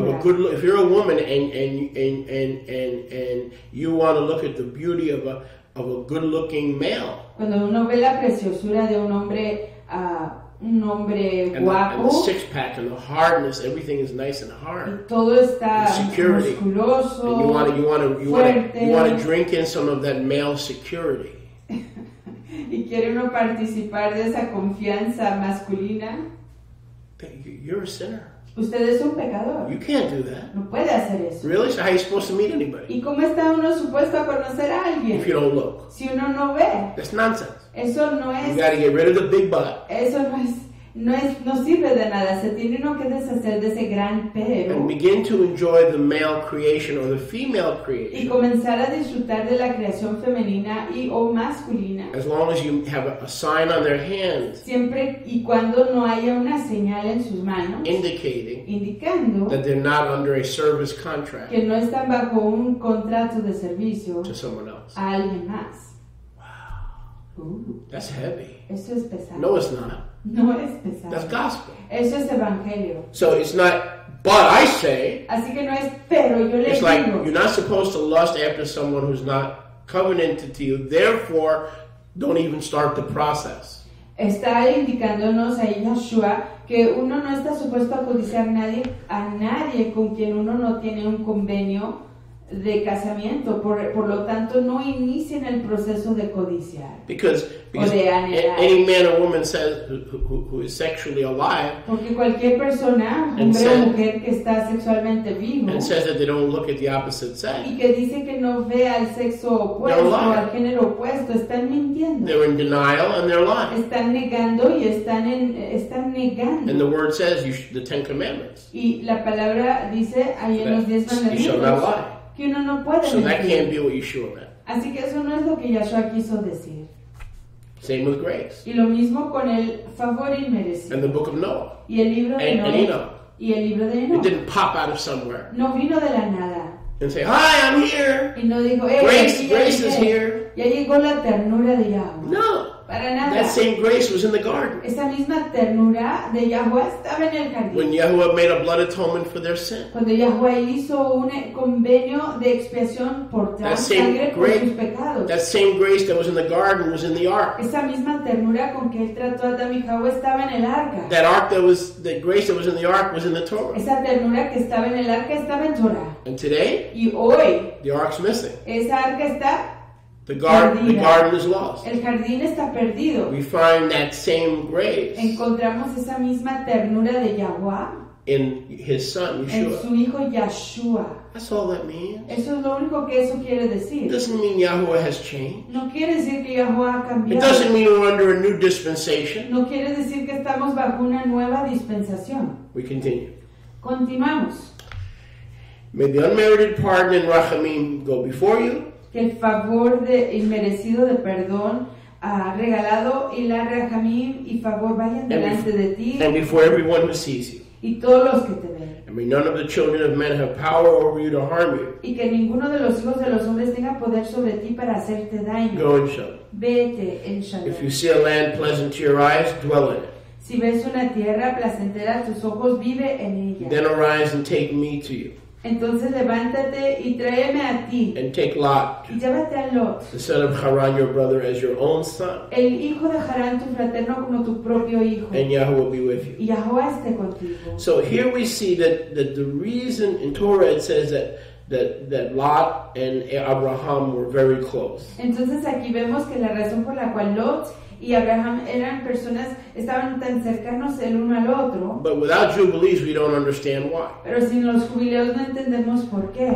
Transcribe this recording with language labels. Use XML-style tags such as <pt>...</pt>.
<en>of a good look, if you're a woman and you want to look at the beauty of a good looking male,</en> <es>cuando uno ve la preciosura de un hombre guapo,</es> <en>and the six pack and the hardness, everything is nice and hard.</en> <es>Y todo está</es> <en>security.</en> <es>Musculoso,</es> <en>and you want to drink in some of that male security.</en> <es>Y quiere uno participar de esa confianza masculina.</es> <en>You're a sinner.</en> <es>Usted es un pecador.</es> <en>You can't do that.</en> <es>No puede hacer eso.</es> <en>Really? So how are you supposed to meet anybody?</en> <es>¿Y cómo está uno supuesto a conocer a alguien?</es> <en>If you don't look.</en> <es>Si uno no ve.</es> <en>That's nonsense.</en> <es>Eso no es.</es> <en>You gotta get rid of the big butt.</en> <es>Eso no sirve de nada. Se tiene uno que deshacer de ese gran pero.</es> <en>And begin to enjoy the male creation or the female creation.</en> <es>Y comenzar a disfrutar de la creación femenina y o masculina.</es> <en>As long as you have a sign on their hand.</en> <es>Siempre y cuando no haya una señal en sus manos. Indicando.</es> <en>That they're not under a service contract.</en> <es>Que no están bajo un contrato de servicio.</es> <en>To someone else.</en> <es>A alguien más.</es> <en>Ooh. That's heavy.</en> <es>Eso es pesado.</es> <en>No, it's not.</en> <es>No es pesado.</es> <en>That's gospel.</en> <es>Eso es evangelio.</es> <en>So it's not, but I say.</en> <es>Así que no es, pero yo le</es> <en>it's</en> <es>digo.</es> <en>Like you're not supposed to lust after someone who's not covenanted to you. Therefore, don't even start the process.</en> <es>Está indicándonos ahí Yahshua que uno no está supuesto a codiciar a nadie con quien uno no tiene un convenio de casamiento, por lo tanto no inicien el proceso de codiciar.</es> <en>Because</en> <es>o de anhelar.</es> <en>Any man or woman says who is sexually alive.</en> <es>Porque cualquier persona, hombre o mujer que está sexualmente vivo.</es> <en>And says that they don't look at the opposite sex.</en> <es>Y que dice que no ve al sexo opuesto o al género opuesto, están mintiendo.</es> <en>They're in denial and they're lying.</en> <es>Están negando y están negando.</es> <en>And the word says the Ten Commandments.</en> <es>Y la palabra dice ahí en los 10 mandamientos.</es> <en>You shall not lie.</en> <es>Que uno no puede</es> <en>so</en> <es>decir.</es> <en>That can't be what Yeshua meant.</en> <es>Así que eso no es lo que Yahshua quiso decir.</es> <en>Same with grace.</en> <es>Y lo mismo con el favor inmerecido.</es> <en>And the book of Noah.</en> <es>Y el libro de Noé.</es> <en>And Enoch.</en> <es>Y el libro de Enoch.</es> <en>It didn't pop out of somewhere.</en> <es>No vino de la nada.</es> <en>And say, hi, I'm here.</en> <es>Y no dijo,</es> <en>grace is here.</en> <es>Ya llegó la ternura de Yahweh.</es> <en>No.</en> <es>Para nada.</es> <en>That same grace was in the garden.</en> <es>Esa misma ternura de Yahweh estaba en el jardín.</es> <en>When Yahweh made a blood atonement for their sin.</en> <es>Cuando Yahweh hizo un convenio de expiación por</es> <en>that same</en> <es>sangre</es> <en>grace,</en> <es>por sus pecados.</es> <en>That same grace that was in the garden was in the ark.</en> <es>Esa misma ternura con que él trató a Adam y Jahweh estaba en el arca.</es> <en>That ark that was the grace that was in the ark was in the Torah.</en> <es>Esa ternura que estaba en el arca estaba en Torah.</es> <en>And today?</en> <es>Y hoy.</es> <en>The ark's missing.</en> <es>Esa arca está.</es> <en>The garden is lost.</en> <es>El jardín está perdido.</es> <en>We find that same grace.</en> <es>Encontramos esa misma ternura de Yahweh.</es> <en>In his son, Yeshua.</en> <es>En su hijo Yahshua.</es> <en>That's all that means.</en> <es>Eso es lo único que eso quiere decir.</es> <en>It doesn't mean Yahweh has changed.</en> <es>No quiere decir que Yahweh ha cambiado.</es> <en>It doesn't mean we're under a new dispensation.</en> <es>No quiere decir que estamos bajo una nueva dispensación.</es> <en>We continue.</en> <es>Continuamos.</es> <en>May the unmerited pardon and rachamim go before you.</en> <es>Que el favor de inmerecido de perdón ha regalado y la rajamim y favor vayan delante de ti.</es> <en>And before everyone who sees you.</en> <es>Y todos los que te ven.</es> <en>And may none of the children of men have power over you to harm you.</en> <es>Y que ninguno de los hijos de los hombres tenga poder sobre ti para hacerte daño.</es> <en>Go and shalom.</en> <es>Vete en shalom.</es> <en>If you see a land pleasant to your eyes, dwell in it.</en> <es>Si ves una tierra placentera a tus ojos, vive en ella.</es> <en>Then arise and take me to you.</en> <es>Entonces levántate y tráeme a ti.</es> <en>And take Lot.</en> <es>Y llévate a Lot.</es> <en>The son of Haran, your brother, as your own son.</en> <es>El hijo de Harán, tu fraterno, como tu propio hijo.</es> <en>And Yahweh will be with you.</en> <es>Y Yahweh esté contigo.</es> <en>So here we see that the reason in Torah it says that Lot and Abraham were very close.</en> <es>Entonces aquí vemos que la razón por la cual Lot y Abraham eran personas, estaban tan cercanos el uno al otro.</es> <en>But without Jubilees, we don't understand why.</en> <es>Pero sin los jubileos no entendemos por qué.</es>